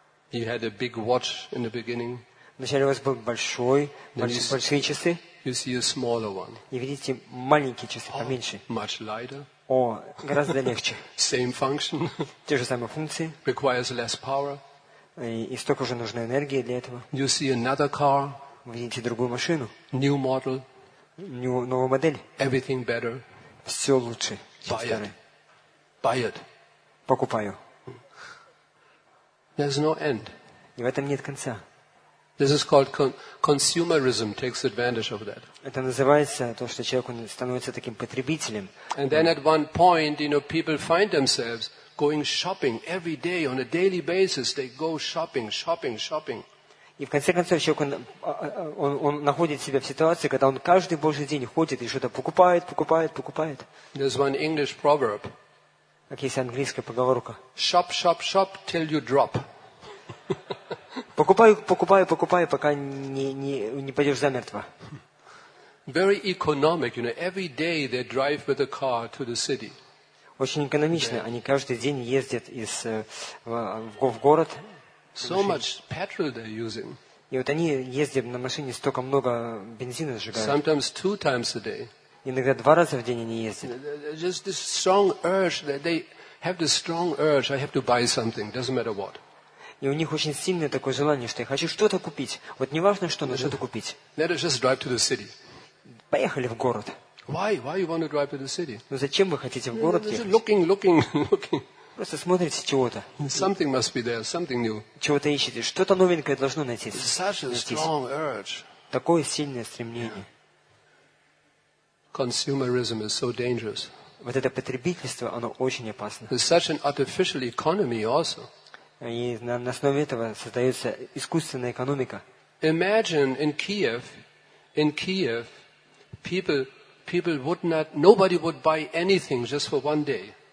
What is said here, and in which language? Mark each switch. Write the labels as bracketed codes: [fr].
[en] You had a big watch in the beginning. [ru] Вначале у вас был большие часы. [en] You see a smaller one. [ru] И видите маленькие часы, поменьше. [en] Much lighter. [ru] О, гораздо легче. [en] Same function. [ru] Те же самые функции. [en] Requires less power. [ru] И столько же нужно энергии для этого. [en] You see another car. [ru] Видите другую машину. [en] New model. [ru] Новая модель. [en] Everything better. [ru] Все лучше. [en] Buy it. Buy it. [ru] Покупаю. [en] There's no end. [ru] И в этом нет конца. [en] This is called consumerism. Takes advantage of that. [ru] Это называется то, что человек становится таким потребителем. [en] And then at one point, you know, people find themselves going shopping every day on a daily basis. They go shopping. [ru] И в конце концов человек он находит себя в ситуации, когда он каждый божий день ходит и что-то покупает. [en] There's one English proverb. [ru] Как есть английская поговорка. [en] Shop till you drop. [ru] Покупаю, пока не пойдешь замертво. [en] Very economic, you know. Every day they drive with a car to the city. [ru] Очень экономично. Они каждый день ездят в город. [en] So much petrol they're using. [ru] И вот они ездят на машине столько много бензина сжигают. [en] Sometimes two times a day. [ru] Иногда два раза в день они ездят. [en] Just this strong urge that they have this strong urge. I have to buy something. Doesn't matter what. [ru] И у них очень сильное такое желание, что я хочу что-то купить. Вот не важно, что, но что-то купить. [en] Let us just drive to the city. [ru] Поехали в город. [en] Why? Why you want to drive to the city? [ru] Ну зачем вы хотите в город ехать? [en] Just looking. [ru] Просто смотрите чего-то. [en] Something must be there, something new. [ru] Чего-то ищете. Что-то новенькое должно найтись. [en] Such a strong urge. [ru] Такое сильное стремление. [en] Consumerism is so dangerous. [ru] Вот это потребительство, оно очень опасно. [en] It's such an artificial economy also. [ru] И на основе этого создается искусственная экономика. [en] Imagine in Kiev, people would not, nobody would buy anything just for one day.